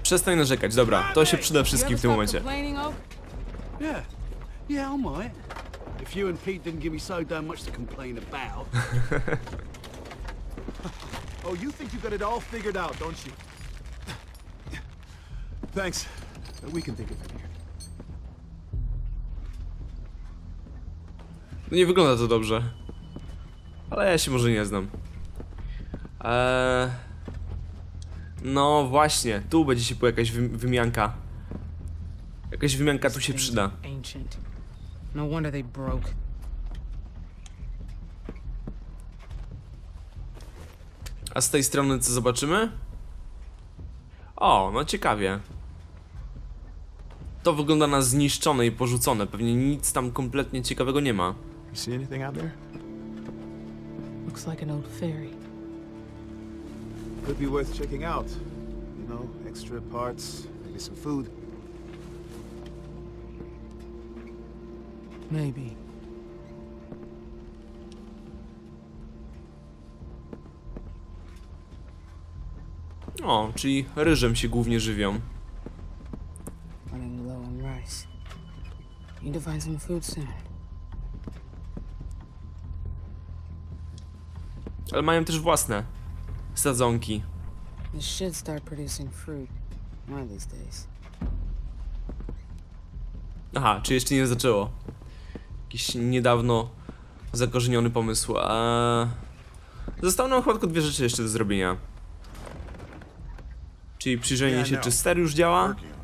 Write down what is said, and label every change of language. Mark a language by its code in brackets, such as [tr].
[pl] Przestań narzekać, dobra. To się przyda wszystkim w tym momencie. [en] Yeah. Yeah, I might. If you and Pete didn't give me so damn much to complain about. Oh, you think you got it all figured out, don't you? Thanks. We can think of it here. [pl] No nie wygląda to dobrze. Ale ja się może nie znam. No właśnie, tu będzie się pojawiać jakaś wymianka. Jakaś wymianka tu się przyda. [en] No wonder they broke. [pl] A z tej strony co zobaczymy? O, no ciekawie. To wygląda na zniszczone i porzucone. Pewnie nic tam kompletnie ciekawego nie ma. [en] You see anything out there? looks like an old ferry. Could be worth checking out. You know, extra parts, maybe some food. Maybe. [pl] O, czyli ryżem się głównie żywią. [en] Running low on rice. Need to find some food soon. [pl] Ale mają też własne sadzonki. [en] This should start producing fruit one of these days. [pl] Aha, czy jeszcze nie zaczęło? Jakiś niedawno zakorzeniony pomysł. Zostało nam chyba tylko dwie rzeczy jeszcze do zrobienia. Czyli przyjrzenie się, czy ster już działa.